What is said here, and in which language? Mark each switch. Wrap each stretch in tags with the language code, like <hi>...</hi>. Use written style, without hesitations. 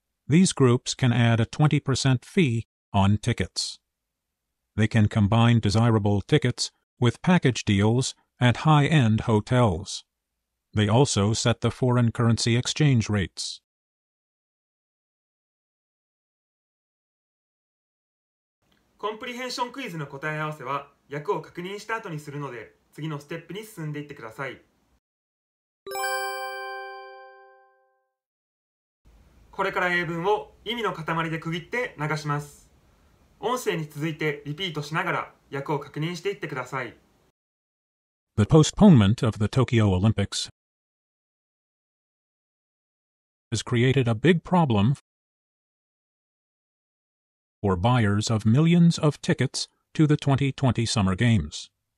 <en>These groups can add a 20% fee on tickets. They can combine desirable tickets with package deals at high-end hotels. They also set the foreign currency exchange rates.</en> <ja>コンプリヘンションクイズの答え合わせは訳を確認した後にするので、次のステップに進んでいってください。これから英文を意味の塊で区切って流します。音声に続いてリピートしながら訳を確認していってください。</ja> <en>The postponement of the Tokyo Olympics has created a big problem for buyers of millions of tickets to the 2020 Summer Games.</en>